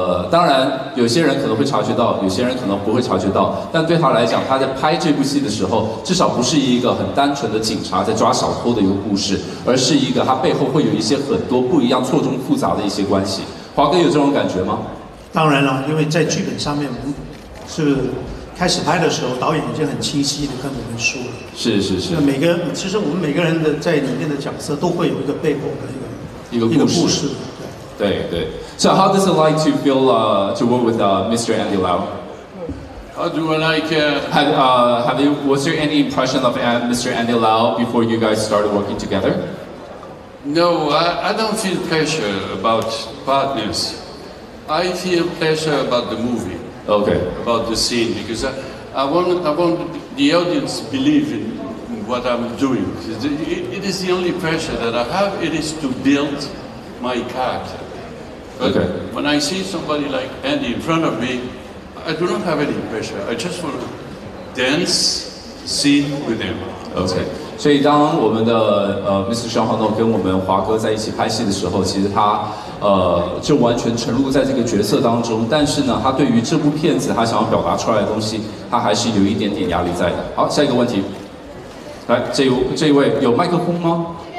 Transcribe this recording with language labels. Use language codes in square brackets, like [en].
[zh] 当然有些人可能会察觉到，有些人可能不会察觉到，但对他来讲，他在拍这部戏的时候至少不是一个很单纯的警察在抓小偷的一个故事，而是一个他背后会有一些很多不一样错综复杂的一些关系。华哥有这种感觉吗？当然了，因为在剧本上面是开始拍的时候，导演已经很清晰地跟我们说了。是是是。每个其实我们每个人的在里面的角色都会有一个背后的一个故事。对对。 [en] So how does it like to feel to work with Mr. Andy Lau? How do I like? Was there any impression of Mr. Andy Lau before you guys started working together? No, I don't feel pressure about partners. I feel pressure about the movie. Okay. About the scene, because I want the audience to believe in what I'm doing. It is the only pressure that I have, it is to build my character. But okay. When I see somebody like Andy in front of me, I do not have any pressure. I just want to dance, scene with him. Okay. [zh] 所以当我们的Mr. Zhang Hongdong 跟我们华哥在一起拍戏的时候，其实他就完全沉入在这个角色当中，但是呢他对于这部片子他想要表达出来的东西，他还是有一点点压力在的。好，下一个问题，来，这一位有麦克风吗？